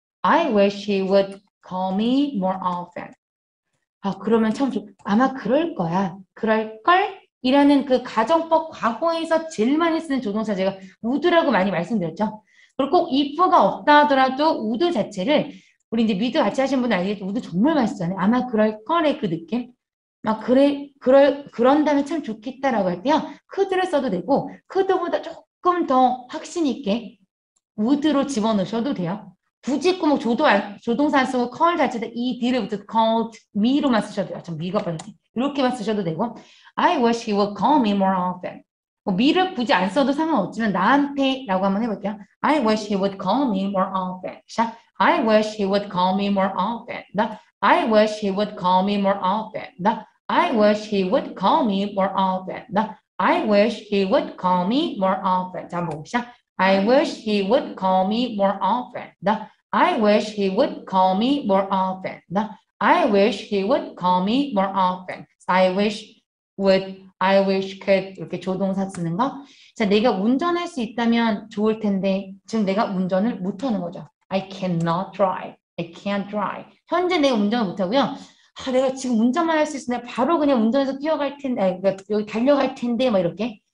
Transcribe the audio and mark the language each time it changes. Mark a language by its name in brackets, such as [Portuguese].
[English] I wish he would call me more often. [Korean] 아, 그러면 참 아마 그럴 거야. 그럴걸? 이라는 그 가정법 과거에서 제일 많이 쓰는 조동사 제가 would라고 많이 말씀드렸죠. 그리고 꼭 if가 없다 하더라도 would 자체를 우리 이제 미드 같이 하신 분들 알겠지? 우드 정말 맛있잖아요. 아마 그럴 거래, 그 느낌. 막, 그래, 그럴, 그런다면 참 좋겠다라고 할 때요. 크드를 써도 되고, 크드보다 조금 더 확신있게 우드로 집어넣으셔도 돼요. 굳이 꼭 뭐 조동사 안 쓰고, call 자체도 이 뒤를 붙여서 called me로만 쓰셔도 돼요. 참, 미가 빠졌지. 이렇게만 쓰셔도 되고, [English] I wish he would call me more often. [Korean] 뭐, me를 굳이 안 써도 상관없지만, 나한테라고 한번 해볼게요. [English] I wish he would call me more often. 자, I wish he would call me more often. 나, I wish he would call me more often. 나, I wish he would call me more often. 나, I wish he would call me more often. [Korean] 자, 한번 봅시다. [English] I wish he would call me more often. 나, I wish he would call me more often. 나, I wish he would call me more often. I wish would, I wish could. [Korean] 이렇게 조동사 쓰는 거. 자, 내가 운전할 수 있다면 좋을 텐데, 지금 내가 운전을 못 하는 거죠. [English] I cannot drive. I can't drive. [Korean] 현재 내가 운전을 못하고요. 아, 내가 지금 운전만 할 수 있으네. 바로 그냥 운전해서 뛰어갈 텐데, 여기 달려갈 텐데, 뭐 이렇게.